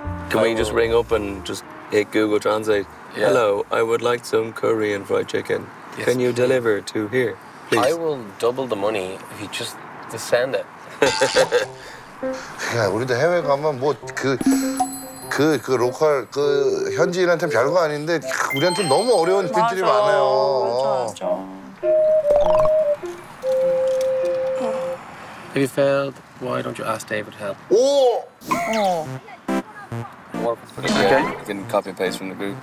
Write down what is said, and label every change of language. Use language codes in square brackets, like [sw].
[en] Can we just ring up and just hit Google Translate? Yeah. Hello, I would like some Korean fried chicken. Yes, can you deliver to here, please? I will double the money if you just send it. [ko] 야, 우리도 해외 가면 뭐 그 로컬 그 현지인한테는 별거 아닌데 우리한테 너무 어려운 빚들이 많아요. 맞아. [en] If you failed, why don't you ask David to help? [ko] 오. [en] Okay. You can copy and paste from the group.